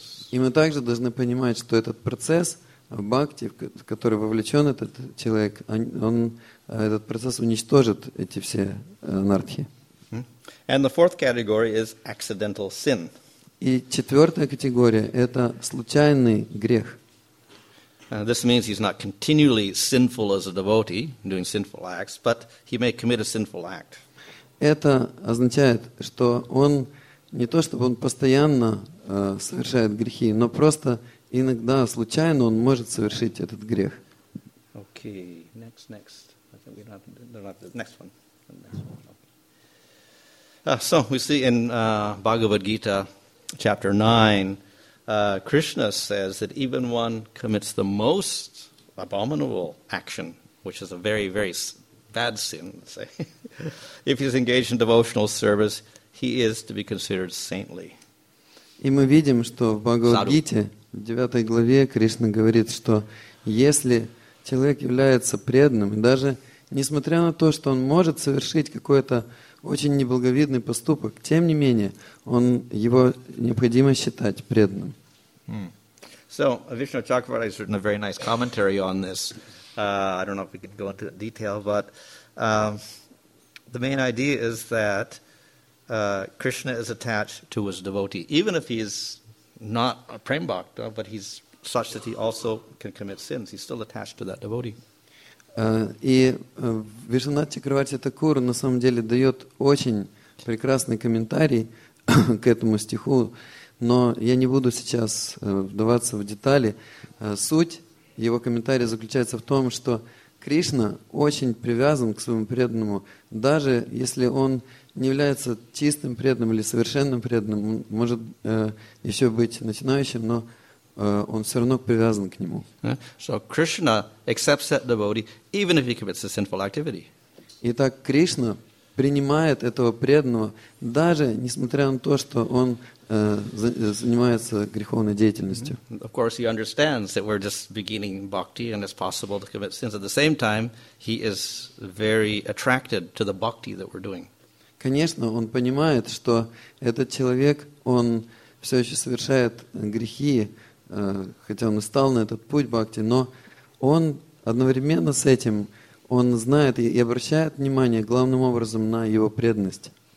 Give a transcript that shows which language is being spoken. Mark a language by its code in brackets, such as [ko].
[ru] И мы также должны понимать, что этот процесс бхакти, в который вовлечен этот человек, он этот процесс уничтожит эти все анартхи. [en] And the fourth category is accidental sin. [ru] И четвертая категория – это случайный грех. [en] This means he's not continually sinful as a devotee, doing sinful acts, but he may commit a sinful act. [ru] Это означает, что он не то, чтобы он постоянно совершает грехи, но просто иногда случайно он может совершить этот грех. [en] Okay, next. I think we're not the next one. So we see in Bhagavad Gita, chapter 9, Krishna says that even one commits the most abominable action, which is a very, very bad sin, let's say, if he's engaged in devotional service, he is to be considered saintly. [ru] И мы видим, что в Бхагавад Гите, в 9 главе, Кришна говорит, что если человек является преданным, даже несмотря на то, что он может совершить какое-то очень неблаговидный поступок. Тем не менее, он его необходимо считать преданным. [en] So, Vishnu Chakravarti has written a very nice commentary on this. I don't know if we can go into detail, but the main idea is that Krishna is attached to his devotee, even if he's not a prem bhakta, but he's such that he also can commit sins. He's still attached to that devotee. [ru] И Вишванат Чакраварти Такур на самом деле дает очень прекрасный комментарий к этому стиху, но я не буду сейчас вдаваться в детали. Суть его комментария заключается в том, что Кришна очень привязан к своему преданному, даже если он не является чистым преданным или совершенным преданным, он может еще быть начинающим, но он все равно привязан к нему. [en] So Krishna accepts that devotee, even if he commits a sinful activity. [ru] Итак, Кришна принимает этого преданного, даже несмотря на то, что он занимается греховной деятельностью. [en] Of course, he understands that we're just beginning bhakti, and it's possible to commit sins. At the same time, he is very attracted to the bhakti that we're doing. [ru] Конечно, он понимает, что этот человек, он все еще совершает грехи, хотя он и стал на этот путь бхакти, но он одновременно с этим, он знает и обращает внимание главным образом на его преданность.